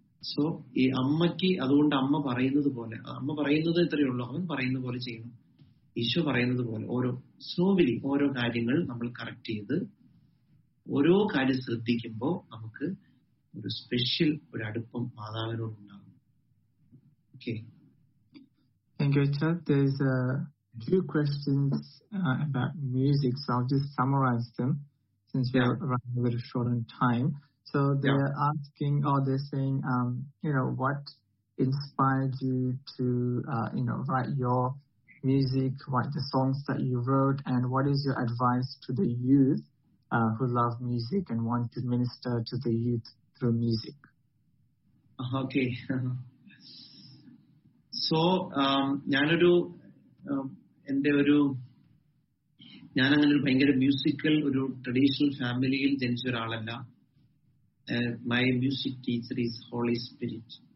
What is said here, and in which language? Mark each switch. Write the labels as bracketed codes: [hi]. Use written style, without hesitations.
[ml] So ഈ അമ്മയ്ക്ക് അതുകൊണ്ട് അമ്മ പറയുന്നത് പോലെ, അമ്മ പറയുന്നത് എത്രയേ ഉള്ളൂ, അവൻ പറയുന്ന പോലെ ചെയ്യണം, ഈശോ പറയുന്നത് പോലെ ഓരോ സ്ലോവിലി ഓരോ കാര്യങ്ങൾ നമ്മൾ കറക്റ്റ് ചെയ്ത് ഓരോ കാര്യം ശ്രദ്ധിക്കുമ്പോൾ നമുക്ക് ഒരു സ്പെഷ്യൽ ഒരു അടുപ്പം മാതാവിനോട് ഉണ്ടാകും. Okay, [en] thank you sir. There's a few questions about music, so I'll just summarize them since we're running a little short on time. So they're asking, or they're saying, you know, what inspired you to you know, write your music, write the songs that you wrote, and what is your advice to the youth who love music and want to minister to the youth through music? Okay. [ml] So ഞാനൊരു എൻ്റെ ഒരു ഞാനങ്ങനെ ഒരു ഭയങ്കര musical ഒരു traditional ഫാമിലിയിൽ ജനിച്ച ഒരാളല്ല. [en] My music teacher is Holy Spirit.